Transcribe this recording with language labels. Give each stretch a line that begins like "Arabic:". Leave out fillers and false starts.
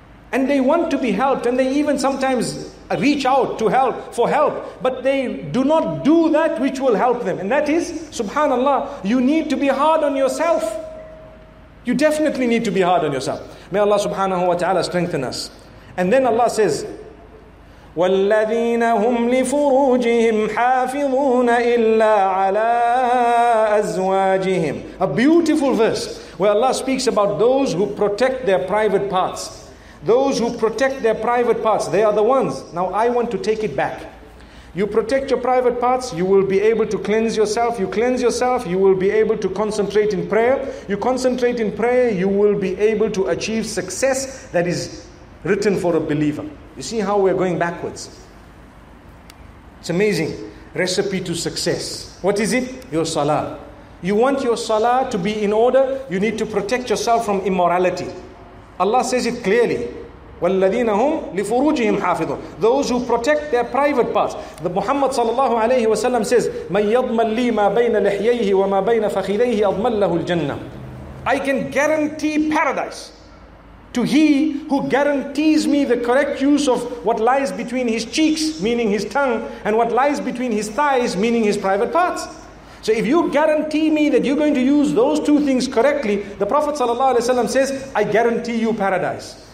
English: And they want to be helped, and they even sometimes reach out to help for help, but they do not do that which will help them. And that is, subhanallah, you need to be hard on yourself. You definitely need to be hard on yourself. May Allah subhanahu wa ta'ala strengthen us. And then Allah says,
Arabic: وَالَّذِينَ هُمْ لِفُرُوجِهِمْ حَافِظُونَ إِلَّا عَلَىٰ أَزْوَاجِهِمْ.
English: A beautiful verse where Allah speaks about those who protect their private parts. Those who protect their private parts, they are the ones. Now I want to take it back. You protect your private parts, you will be able to cleanse yourself. You cleanse yourself, you will be able to concentrate in prayer. You concentrate in prayer, you will be able to achieve success that is written for a believer. You see how we're going backwards. It's amazing. Recipe to success. What is it? Your salah. You want your salah to be in order, you need to protect yourself from immorality. Allah says it clearly.
Arabic: وَالَّذِينَ هُمْ لِفُرُوجِهِمْ حَافِظُونَ.
English: Those who protect their private parts. The Muhammad sallallahu alayhi wa sallam says,
Arabic: مَنْ يَضْمَنْ لِي مَا بَيْنَ لِحْيَيْهِ وَمَا بَيْنَ فَخِذَيْهِ أَضْمَنْ لَهُ الْجَنَّةِ.
English: I can guarantee paradise to he who guarantees me the correct use of what lies between his cheeks, meaning his tongue, and what lies between his thighs, meaning his private parts. So if you guarantee me that you're going to use those two things correctly, the Prophet sallallahu alayhi wa sallam says, I guarantee you paradise.